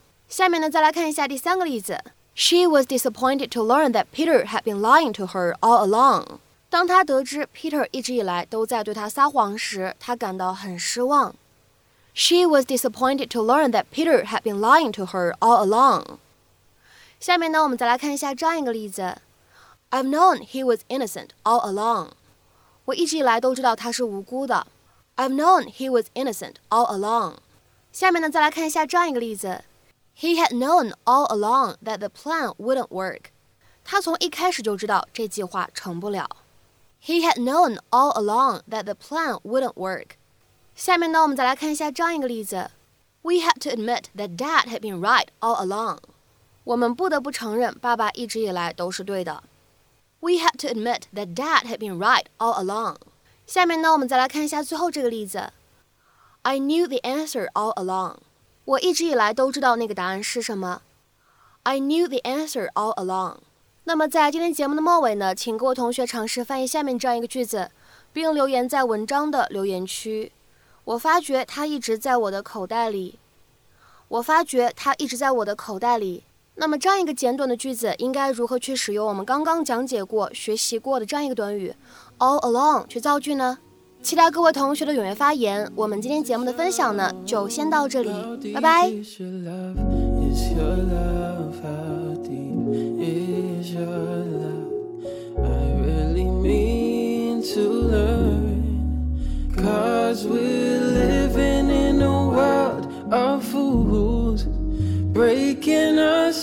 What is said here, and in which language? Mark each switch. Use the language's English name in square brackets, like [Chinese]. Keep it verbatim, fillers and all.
[Chinese] 下面呢，再来看一下第三个例子。 [English] She was disappointed to learn that Peter had been lying to her all along。 [Chinese] 当她得知 Peter 一直以来都在对她撒谎时，她感到很失望。 [English] She was disappointed to learn that Peter had been lying to her all along。 [Chinese] 下面呢，我们再来看一下这样一个例子。 [English] I've known he was innocent all along。 [Chinese] 我一直以来都知道他是无辜的。 [English] I've known he was innocent all along。 [Chinese] 下面呢，再来看一下这样一个例子。 [English] He had known all along that the plan wouldn't work。 [Chinese] 他从一开始就知道这计划成不了。 [English] He had known all along that the plan wouldn't work。 [Chinese] 下面呢，我们再来看一下这样一个例子。 [English] We had to admit that Dad had been right all along。 [Chinese] 我们不得不承认爸爸一直以来都是对的。 [English] We had to admit that Dad had been right all along. [Chinese] 下面呢，我们再来看一下最后这个例子。 [English] I knew the answer all along. [Chinese] 我一直以来都知道那个答案是什么。 [English] I knew the answer all along. [Chinese] 那么在今天节目的末尾呢，请各位同学尝试翻译下面这样一个句子，并留言在文章的留言区。我发觉它一直在我的口袋里。我发觉它一直在我的口袋里。那么这样一个简短的句子应该如何去使用我们刚刚讲解过学习过的这样一个短语 all along 去造句呢？期待各位同学的踊跃发言。我们今天节目的分享呢就先到这里，拜拜。 [English] is your love? How deep is your love? I really mean to learn, 'cause we're living in a world of fools breaking up.